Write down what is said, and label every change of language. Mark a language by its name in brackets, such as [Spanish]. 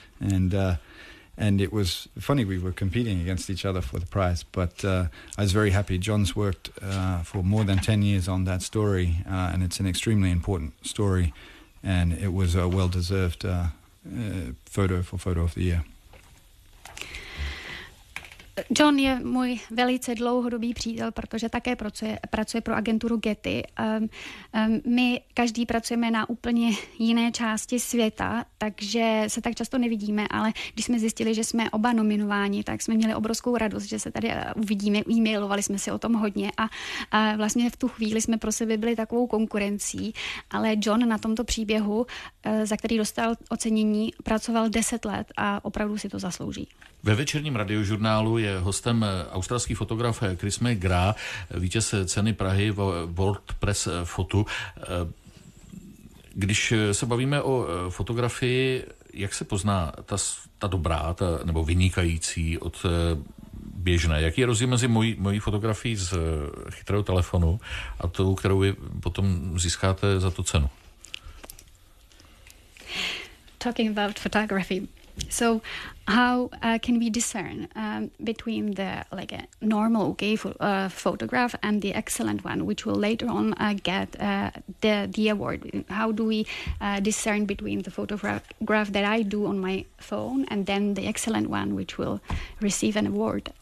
[English] And it was funny, we were competing against each other for the prize, but I was very happy. John's worked for more than 10 years on that story, and it's an extremely important story. And it was a well-deserved photo for Photo of the Year. [Czech] John je můj velice dlouhodobý přítel, protože také pracuje pro agenturu Getty. My každý pracujeme na úplně jiné části světa, takže se tak často nevidíme, ale když jsme zjistili, že jsme oba nominováni, tak jsme měli obrovskou radost, že se tady uvidíme. E-mailovali jsme si o tom hodně a vlastně v tu chvíli jsme pro sebe byli takovou konkurencí, ale John na tomto příběhu, za který dostal ocenění, pracoval 10 let a opravdu si to zaslouží. Ve večerním radiožurnálu je hostem australský fotograf Chris McGrath, vítěz ceny Prahy World Press Photo. Když se bavíme o fotografii, jak se pozná ta dobrá, nebo vynikající od běžné? Jaký je rozdíl mezi mojí fotografií z chytrého telefonu a tou, kterou vy potom získáte za tu cenu? [English] Talking about photography. So how can we discern between the like a normal okay photograph and the excellent one, which will later on get the award? How do we discern between the photograph that I do on my phone and then the excellent one, which will receive an award?